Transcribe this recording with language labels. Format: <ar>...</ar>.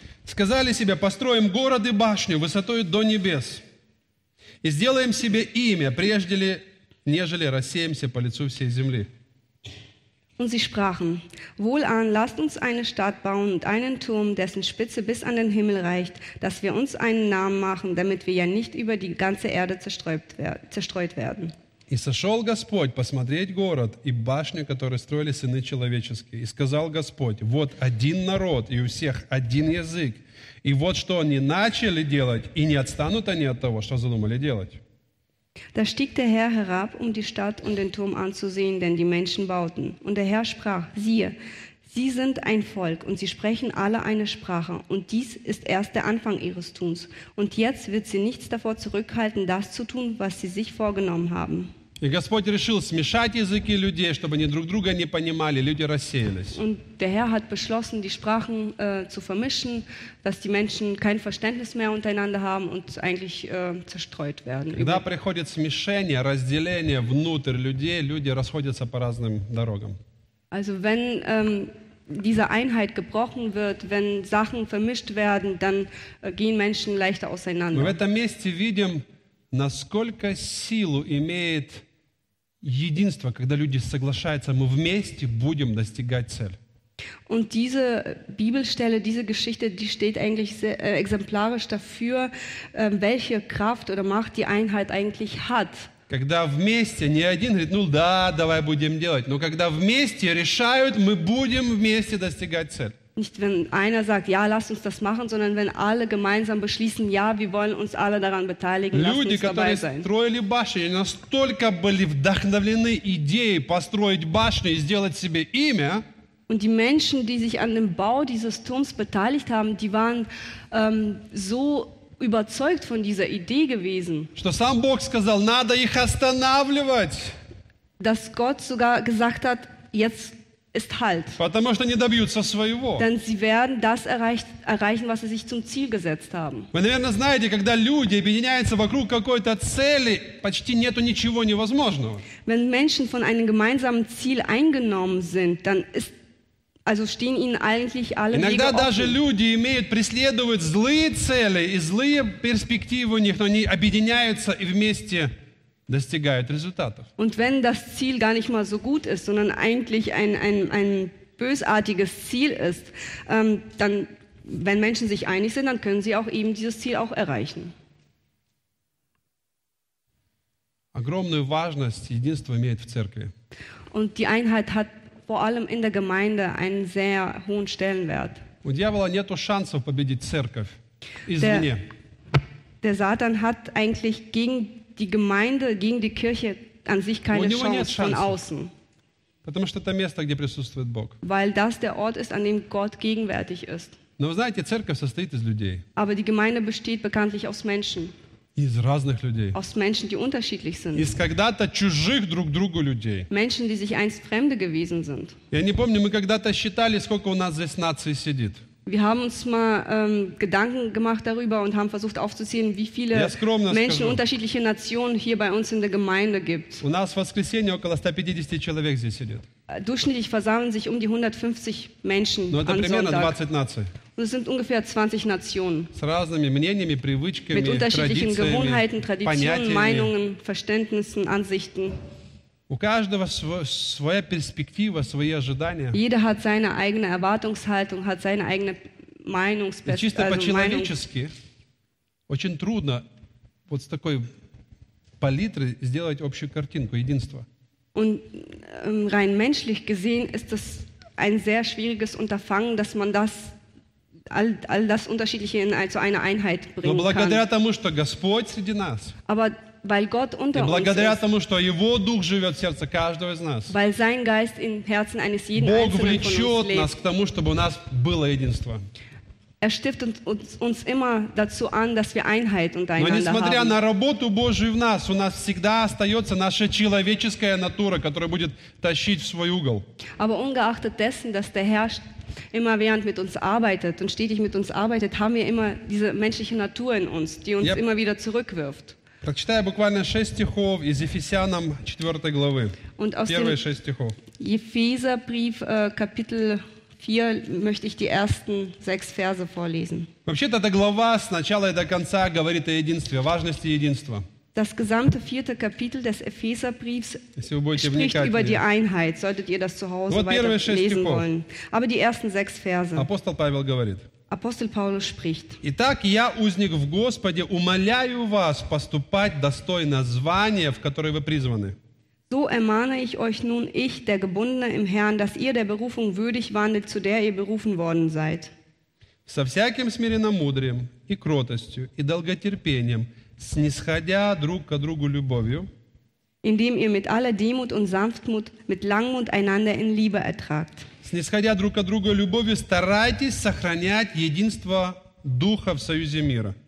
<ru>Сказали себе, построим город и башню высотой до небес и сделаем себе имя, прежде ли, нежели рассеемся по лицу всей земли.</ru> <de>Und sie sprachen, wohlan, lasst uns eine Stadt bauen und einen Turm, dessen Spitze bis an den Himmel reicht, dass wir uns einen Namen machen, damit wir ja nicht über die ganze Erde zerstreut werden.</de> <ru>И сошел Господь посмотреть город и башню, которую строили сыны человеческие. И сказал Господь, вот один народ, и у всех один язык. И вот что они начали делать, и не отстанут они от того, что задумали делать.</ru> <de>Da stieg der Herr herab, um die Stadt und den Turm anzusehen, denn die Menschen bauten. Und der Herr sprach, siehe, sie sind ein Volk, und sie sprechen alle eine Sprache, und dies ist erst der Anfang ihres Tuns. Und jetzt wird sie nichts davor zurückhalten, das zu tun, was sie sich vorgenommen haben.</de> <ru>И Господь решил смешать языки людей, чтобы они друг друга не понимали, люди рассеялись.</ru> <de>Und der Herr hat beschlossen, die Sprachen zu vermischen, dass die Menschen kein Verständnis mehr untereinander haben und eigentlich zerstreut werden.</de> <ru>Когда приходит смешение, разделение внутрь людей, люди расходятся по разным дорогам.</ru> <de>Also wenn diese Einheit gebrochen wird, wenn Sachen vermischt werden, dann gehen Menschen leichter auseinander.</de> <ru>Мы в этом месте видим, насколько силу имеет единство, когда люди соглашаются, мы вместе будем достигать цель.</ru> <de>Und diese Bibelstelle, diese Geschichte, die steht eigentlich sehr, exemplarisch dafür, welche Kraft oder Macht die Einheit eigentlich hat.</de> <ru>Когда вместе, не один говорит, ну да, давай будем делать, но когда вместе решают, мы будем вместе достигать цель.</ru> <de>Nicht wenn einer sagt, ja, lass uns das machen, sondern wenn alle gemeinsam beschließen, ja, wir wollen uns alle daran beteiligen,</de> <ru>Люди,</ru> <de>lass uns dabei sein.</de> <ru>Строили башни, они настолько были вдохновлены идеей построить башню и сделать себе имя.</ru> <de>Und die Menschen, die sich an dem Bau dieses Turms beteiligt haben, die waren so überzeugt von dieser Idee gewesen.</de> <ru>Что сам Бог сказал, надо их останавливать.</ru> <de>Dass Gott sogar gesagt hat, jetzt ist halt.</de> <ru>Потому что они добьются своего.</ru> <de>Denn sie werden das erreichen, was sie sich zum Ziel gesetzt haben.</de> <ru>Вы, наверное, знаете, когда люди объединяются вокруг какой-то цели, почти нету ничего невозможного.</ru> <de>Wenn Menschen von einem gemeinsamen Ziel eingenommen sind, dann ist also stehen ihnen eigentlich alle</de> <ru>Иногда</ru> <de>Wege offen.</de> <ru>Даже люди имеют преследуют злые цели и злые перспективы у них, но они объединяются и вместе достигают результатов.</ru> <de>Und wenn das Ziel gar nicht mal so gut ist, sondern eigentlich ein bösartiges Ziel ist, dann, wenn Menschen sich einig sind, dann können sie auch eben dieses Ziel auch erreichen.</de> <ru>Огромную важность единство имеет в церкви.</ru> <de>Und die Einheit hat vor allem in der Gemeinde einen sehr hohen Stellenwert.</de> <ru>У дьявола нету шансов победить церковь извне.</ru> <de>Der Satan hat eigentlich gegen die Gemeinde, gegen die Kirche an sich keine Chance von außen.</de> <ru>Потому что это место, где присутствует Бог.</ru> <de>Weil das der Ort ist, an dem Gott gegenwärtig ist.</de> <ru>Но вы знаете, церковь состоит из людей.</ru> <de>Aber die Gemeinde besteht bekanntlich aus Menschen.</de> <ru>Из разных людей.</ru> <de>Aus Menschen, die unterschiedlich sind.</de> <ru>Из когда-то чужих друг другу людей.</ru> <de>Menschen, die sich einst Fremde gewesen sind.</de> <ru>Я не помню, мы когда-то считали, сколько у нас здесь наций сидит.</ru> <de>Wir haben uns mal Gedanken gemacht darüber und haben versucht aufzuzählen, wie viele Menschen Unterschiedliche Nationen hier bei uns in der Gemeinde gibt.</de> <ru>У нас в воскресенье около 150 человек здесь сидит.</ru> <de>Durchschnittlich versammeln sich um die 150 Menschen</de> <ru>Но</ru> <de>an Sonntag.</de> <ru>20 наций.</ru> <de>Und es sind ungefähr 20 Nationen.</de> <ru>С разными мнениями, привычками,</ru> <de>Mit unterschiedlichen Gewohnheiten, Traditionen,</de> <ru>понятиями.</ru> <de>Meinungen, Verständnissen, Ansichten.</de> <ru>У каждого своя перспектива, свои ожидания.</ru> <de>Jeder hat seine eigene Erwartungshaltung, hat seine eigene Meinungsbestimmung.</de> <ru>Чисто по-человечески очень трудно вот с такой палитры сделать общую картинку единства.</ru> <de>Und rein menschlich gesehen ist das ein sehr schwieriges Unterfangen, dass man das all das Unterschiedliche in zu einer Einheit bringen kann.</de> <ru>Тому, что Господь среди нас.</ru> <de>Aber weil Gott unter uns</de> <ru>благодаря</ru> <de>ist,</de> <ru>тому, что Его Дух живет в сердце каждого из нас,</ru> <de>weil sein Geist im Herzen eines jeden</de> <ru>Бог</ru> <de>einzelnen</de> <ru>влечет</ru> <de>von uns lebt,</de> <ru>нас к тому, чтобы у нас было единство.</ru> <de>Er stiftet uns immer dazu an, dass wir Einheit untereinander haben.</de> <ru>Но несмотря на работу Божию в нас, у нас всегда остается наша человеческая натура, которая будет тащить в свой угол.</ru> <de>Aber ungeachtet dessen, dass der Herr immer während mit uns arbeitet und stetig mit uns arbeitet, haben wir immer diese menschliche Natur in uns, die uns immer wieder zurückwirft.</de> <ru>Прочитаю буквально 6 стихов из Ефесянам 4 главы. Первые 6 стихов.</ru> <de>Ефесябрief, Kapitel 4, möchte ich die ersten 6 Verse vorlesen.</de> <ru>Вообще-то эта глава с начала и до конца говорит о единстве, важности единства.</ru> <de>Das gesamte vierte Kapitel des Epheserbriefs spricht über die Einheit. Solltet ihr das zu Hause weiterlesen wollen. Aber die ersten 6 Verse.</de> <ru>Апостол Павел говорит.</ru> <de>Апостол Павел spricht.</de> <ru>Итак, я, узник в Господе, умоляю вас поступать достойно звания, в которое вы призваны.</ru> <de>So ermahne ich euch nun, ich, der Gebundene im Herrn, dass ihr der Berufung würdig wandelt, zu der ihr berufen worden seid.</de> <ru>Со всяким смиренномудрием и кротостью и долготерпением, снисходя друг к другу любовью.</ru> <de>Indem ihr mit aller Demut und Sanftmut, mit Langmut einander in Liebe ertragt.</de> <ru>Снисходя друг к другу любовью, старайтесь сохранять единство Духа в союзе мира.</ru>